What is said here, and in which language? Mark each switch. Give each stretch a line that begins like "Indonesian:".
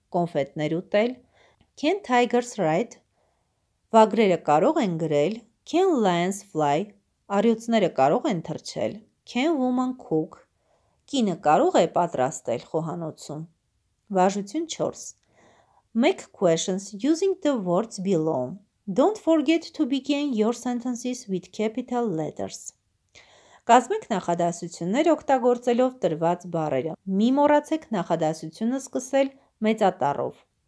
Armenian: կոնֆետներ ուտել,
English: can tigers ride,
Armenian: վագրերը կարող են գրել,
English: can lions fly,
Armenian: արյուծները կարող են թռչել,
English: can woman cook,
Armenian: կինը կարող է պատրաստել խոհանոցում. Վարժություն 4.
English: Make questions using the words below. Don't forget to begin your sentences with capital letters.
Armenian: Կազմեք նախադասություններ օգտագործելով տրված բառերը. Մի մոռացեք նախադասությունը սկսել մեծատառով.